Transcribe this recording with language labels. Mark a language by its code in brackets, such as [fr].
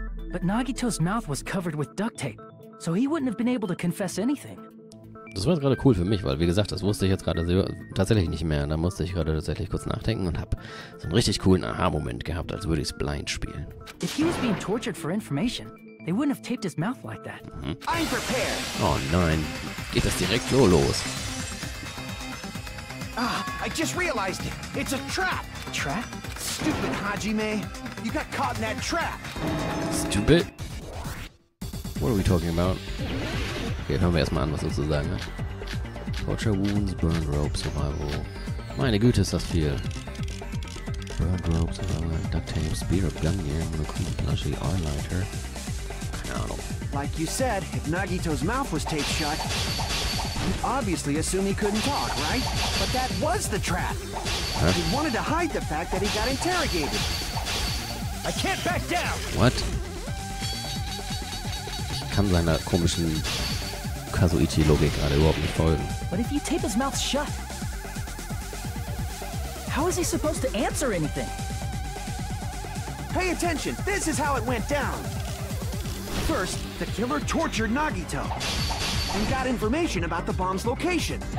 [en] But Nagito's mouth was covered with duct tape, so he wouldn't have been able to confess anything. [de] Das war jetzt gerade cool für mich, weil, wie gesagt, das wusste ich jetzt gerade tatsächlich nicht mehr. Da musste ich gerade tatsächlich kurz nachdenken und habe so einen richtig coolen Aha-Moment gehabt, als würde ich es blind spielen. [en] If he was being tortured for information, they wouldn't have taped his mouth like that. I'm prepared. [de] Oh nein, geht das direkt so los? [en] Ah, I just realized it. It's a trap. Trap? Stupid Hajime, you got caught in that trap. Stupid? What are we talking about? [de] Okay, hören wir erstmal an, was er zu sagen hat. Torture Wounds, Burn Rope, Survival. Meine Güte, ist das viel. Burn Rope, Survival, Duct Tape, Spear of Gungnir, Monokuma, Plushy, R-Lighter. Keine Ahnung. [en] Like you said, if Nagito's mouth was taped shut, you'd obviously assume he couldn't talk, right? But that was the trap. Huh? He wanted to hide the fact that he got interrogated. I can't back down! What? [de] Ich kann seiner komischen Kazuichi-Logik gerade überhaupt nicht folgen. [en] But if you tape his mouth shut, how is he supposed to answer anything? Pay attention, this is how it went down. First, the killer tortured Nagito and got information about the bomb's location.